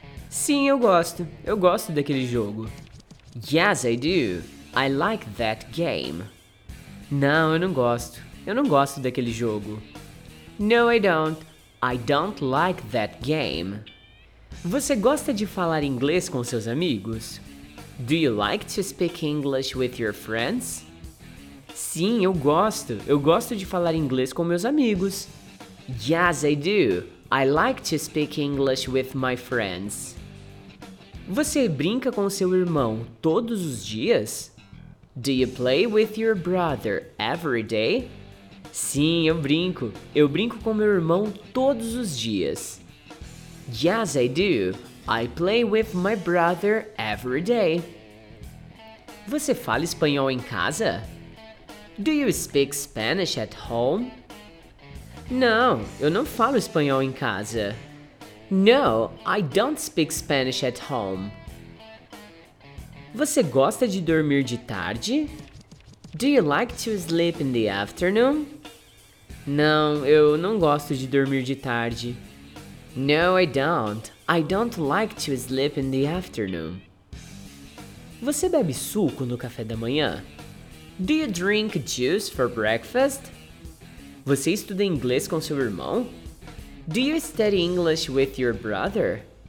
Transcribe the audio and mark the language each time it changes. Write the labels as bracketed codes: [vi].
[pt] Sim, eu gosto. Eu gosto daquele jogo. [en] Yes, I do. I like that game. [pt] Não, eu não gosto. Eu não gosto daquele jogo. [en] No, I don't. I don't like that game. [pt] Você gosta de falar inglês com seus amigos? [en] Do you like to speak English with your friends? [pt] Sim, eu gosto. Eu gosto de falar inglês com meus amigos. [en] Yes, I do. I like to speak English with my friends. [pt] Você brinca com seu irmão todos os dias? [en] Do you play with your brother every day? [pt] Sim, eu brinco. Eu brinco com meu irmão todos os dias. [en] Yes, I do. I play with my brother every day. [pt] Você fala espanhol em casa? [en] Do you speak Spanish at home? [pt] Não, eu não falo espanhol em casa. [en] No, I don't speak Spanish at home. [pt] Você gosta de dormir de tarde? [en] Do you like to sleep in the afternoon? [pt] Não, eu não gosto de dormir de tarde. [en] No, I don't. I don't like to sleep in the afternoon. [pt] Você bebe suco no café da manhã? [en] Do you drink juice for breakfast? [pt] Você estuda inglês com seu irmão? [en] Do you study English with your brother?